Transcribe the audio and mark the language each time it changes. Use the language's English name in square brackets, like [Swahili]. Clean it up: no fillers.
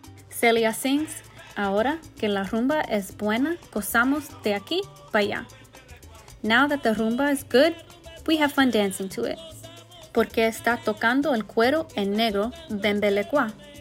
[English] Celia sings, [Spanish] ahora que la rumba es buena, gozamos de aquí para allá. [English] Now that the rumba is good, we have fun dancing to it. [Spanish] Porque está tocando el cuero en negro, bembelecua.